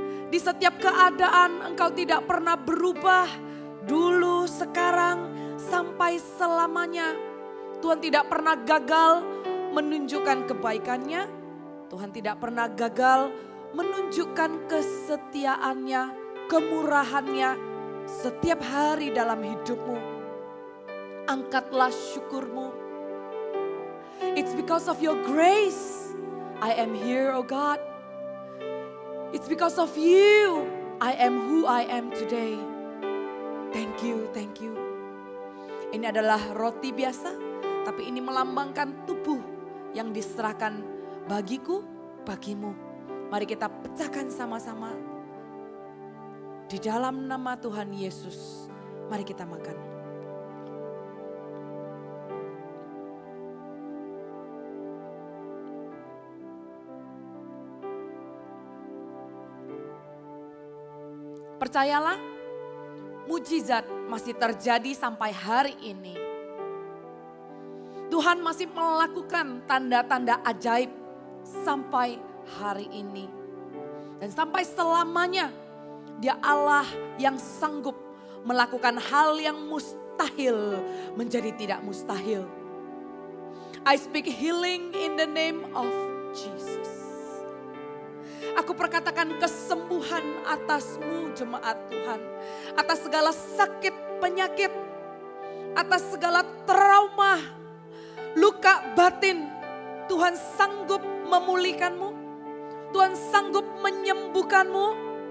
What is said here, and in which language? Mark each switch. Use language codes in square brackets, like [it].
[id] di setiap keadaan Engkau tidak pernah berubah, dulu, sekarang, sampai selamanya. Tuhan tidak pernah gagal menunjukkan kebaikannya, Tuhan tidak pernah gagal menunjukkan kesetiaannya, kemurahannya setiap hari dalam hidupmu. Angkatlah syukurmu. [en] It's because of your grace I am here, oh God. It's because of you I am who I am today. Thank you, thank you. [id] Ini adalah roti biasa, tapi ini melambangkan tubuh yang diserahkan bagiku, bagimu. Mari kita pecahkan sama-sama. Di dalam nama Tuhan Yesus, mari kita makan. Percayalah, mujizat masih terjadi sampai hari ini. Tuhan masih melakukan tanda-tanda ajaib sampai hari ini. Dan sampai selamanya, Dia Allah yang sanggup melakukan hal yang mustahil menjadi tidak mustahil. [en] I speak healing in the name of Jesus. [id] Aku perkatakan kesembuhan atasmu, jemaat Tuhan. Atas segala sakit, penyakit. Atas segala trauma, luka batin. Tuhan sanggup memulihkanmu. Tuhan sanggup menyembuhkanmu.